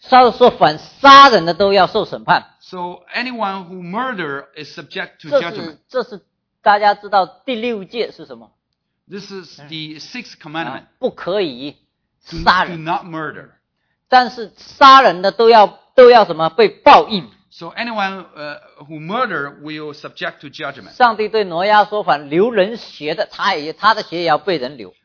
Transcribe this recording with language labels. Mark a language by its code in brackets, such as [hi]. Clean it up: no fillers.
[zh] 他说凡杀人的都要受审判。 [en] So anyone who murder is subject to judgment. [zh] 这是大家知道第六诫是什么？ [en] This is the sixth commandment. [zh] 不可以杀人。 [en] Do not murder. [zh] 但是杀人的都要什么被报应。 [en] So anyone who murder will subject to judgment. [zh] 上帝对挪亚说反流人血的他的血也要被人流。